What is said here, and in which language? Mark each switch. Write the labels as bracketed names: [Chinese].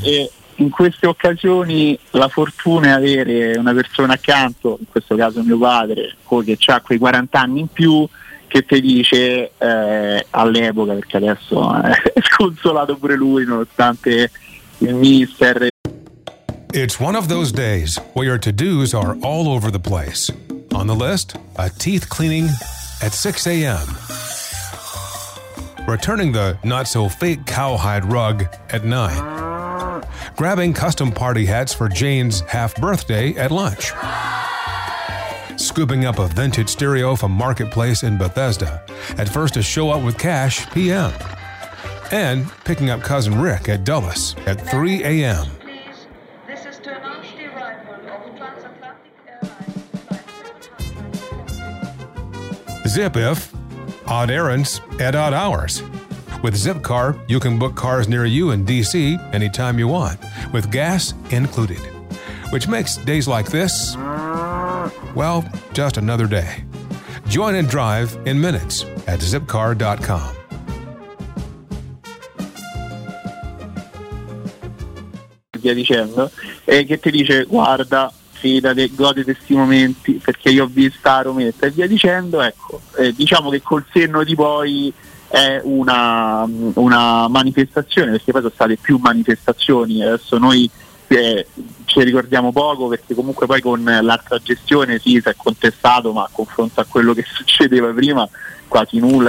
[Italian] E in queste occasioni la fortuna è avere una persona accanto, in questo caso mio padre, che ha quei 40 anni in più, che ti dice all'epoca, perché adesso è sconsolato pure lui, nonostante il mister. [English] It's one of those days where your to-dos are all over the place. On the list, a teeth cleaning at 6 a.m. returning the not-so-fake cowhide rug at 9, grabbing custom party hats for Jane's half-birthday at lunch, scooping up a vintage stereo from Marketplace in Bethesda, at first to show up with cash p.m., and picking up cousin Rick at Dulles at 3 a.m. Zip if, odd errands at odd hours. With Zipcar, you can book cars near you in D.C. anytime you want, with gas included. Which makes days like this, well, just another day. Join and drive in minutes at zipcar.com. [Italian] Dicendo, e che ti dice guarda, fidati, godi questi momenti perché io ho visto la Rometta e via dicendo, ecco, diciamo che col senno di poi è una manifestazione, perché poi sono state più manifestazioni, adesso noi ci ricordiamo poco perché comunque poi con l'altra gestione sì, si è contestato, ma a confronto a quello che succedeva prima quasi nulla.